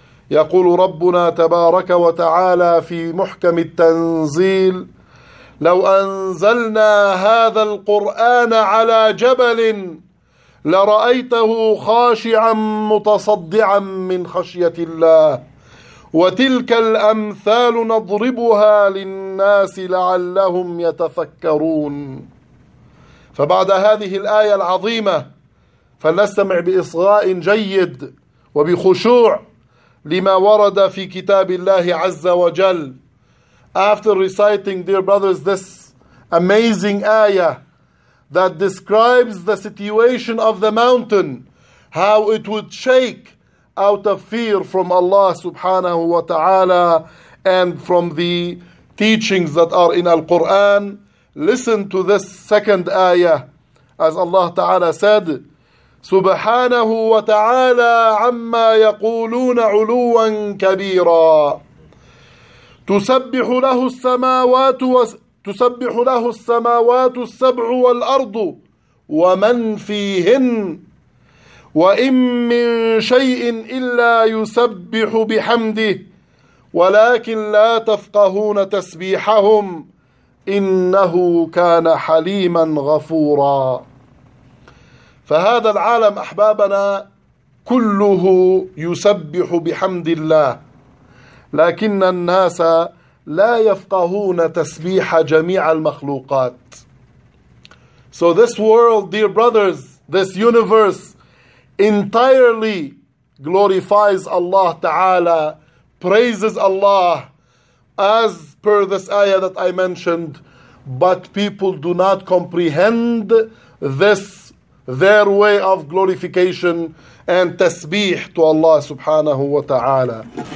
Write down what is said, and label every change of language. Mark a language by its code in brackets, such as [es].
[ar] يقول ربنا تبارك وتعالى في محكم التنزيل: لو أنزلنا هذا القرآن على جبل لرأيته خاشعا متصدعا من خشية الله وتلك الأمثال نضربها للناس لعلهم يتفكرون. فبعد هذه الآية العظيمة فلنستمع بإصغاء جيد وبخشوع لما ورد في كتاب الله عز وجل. [en] After reciting, dear brothers, this amazing ayah that describes the situation of the mountain, how it would shake out of fear from Allah subhanahu wa ta'ala and from the teachings that are in Al-Quran, listen to this second ayah. As Allah ta'ala said, [ar] سبحانه وتعالى عما يقولون علوا كبيرا تسبح له السماوات تسبح له السماوات السبع والأرض ومن فيهن وإن من شيء إلا يسبح بحمده ولكن لا تفقهون تسبيحهم إنه كان حليما غفورا. فهذا العالم أحبابنا كله يسبح بحمد الله، لكن الناس لا يفقهون تسبيح جميع المخلوقات. [en] So this world, dear brothers, this universe entirely glorifies Allah Ta'ala, praises Allah as per this ayah that I mentioned, but people do not comprehend this, their way of glorification and tasbih to Allah subhanahu wa ta'ala.